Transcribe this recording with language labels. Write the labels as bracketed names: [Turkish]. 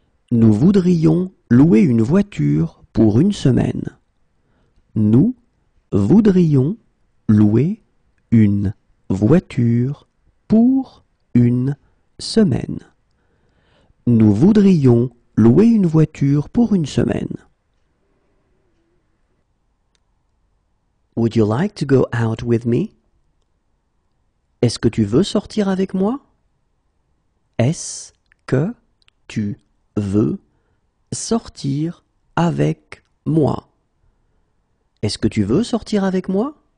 [French] Nous voudrions louer une voiture pour une semaine. Nous voudrions louer une voiture pour une semaine. Nous voudrions louer une voiture pour une semaine. [English] Would you like to go out with me? [French] Est-ce que tu veux sortir avec moi? Est-ce que tu veux sortir avec moi? Est-ce que tu veux sortir avec moi?